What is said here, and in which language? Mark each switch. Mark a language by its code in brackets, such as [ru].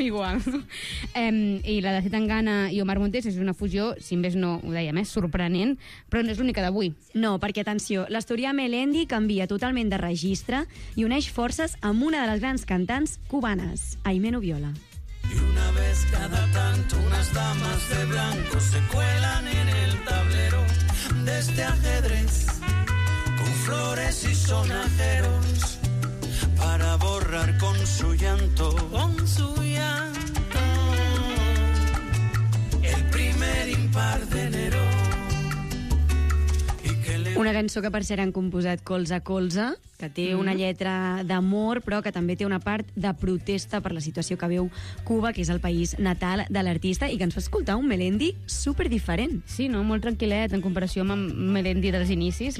[ca] Igual. I la de Zetangana i Omar Montes és una fusió, si més no ho dèiem, és sorprenent, però no és l'única d'avui. No, perquè, atenció, l'Astúria Melendi canvia totalment de registre i uneix forces amb una de les grans cantants cubanes, Aimee Nubiola. [es] Y una vez cada tanto unas damas de blanco se cuelan en el tablero de este ajedrez con flores y sonajeros para borrar con su llanto, con su llanto, el primer impar de enero. [ca] Una cançó que, per cert, han composat colze a colze, que té una lletra d'amor, però que també té una part de protesta per la situació que viu Cuba, que és el país natal de l'artista, i que ens fa escoltar un Melendi superdiferent. Sí, no? Molt tranquil·let, en comparació amb Melendi dels inicis.